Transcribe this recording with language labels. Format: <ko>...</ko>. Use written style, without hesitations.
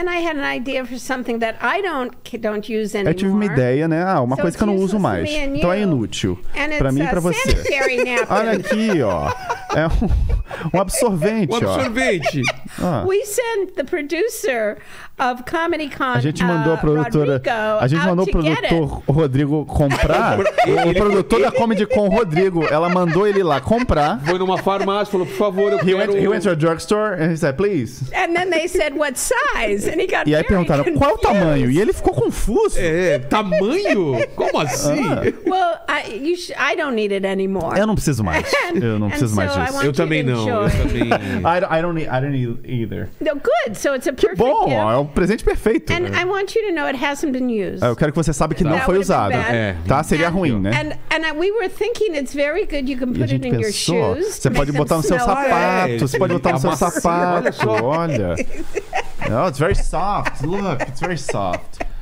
<en>So then I had an idea for something that I don't use anymore.</en> <pt>Eu tive uma ideia, né? Ah, uma coisa que eu não uso mais. Então é inútil. Pra mim e pra você. Olha aqui, ó. É um absorvente, ó. Um absorvente.</pt> <en>We sent the producer of Comedy Con,</en> <pt>a gente mandou a produtora, a gente mandou o produtor Rodrigo comprar. O produtor da Comedy Con, Rodrigo, ela mandou ele lá comprar. Foi numa farmácia, falou, por favor, eu quero...</pt> <en>He went to a drugstore and he said, please. And then they said, what size? And he got</en> <pt>e aí perguntaram,</pt> <en>confused.</en> <pt>Qual o tamanho? E ele ficou confuso. É, tamanho? Como assim?</pt> <en>Well, I don't need it anymore.</en> <pt>Eu não preciso mais. Eu não preciso mais disso. Eu também não.</pt> <en>I don't need either. No, good, so it's a perfect</en> <pt>bom,</pt> <en>gift.</en> <pt>É um presente perfeito.</pt> <en>And I want you to know it hasn't been used.</en> <pt>Eu quero que você saiba que não foi usado. Tá? Seria ruim, né?</pt> <en>And we were thinking it's very good. You can put it in your shoes.</en> <pt>Você pode botar no seu sapato. Você pode botar no seu sapato. Olha.</pt> <en>Oh, it's very soft. Look, it's very soft.</en>